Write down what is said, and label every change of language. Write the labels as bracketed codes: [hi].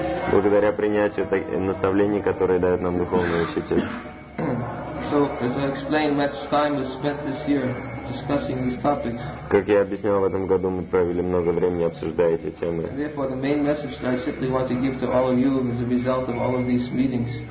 [ru] Благодаря принятию наставлений, которые дает нам духовный учитель. [en] So, as I explained, much time was spent this year discussing these topics. [ru] Как я объяснял, в этом году мы провели много времени, обсуждая эти темы. [en] Therefore, the main message that I simply want to give to all of you is a result of all of these meetings.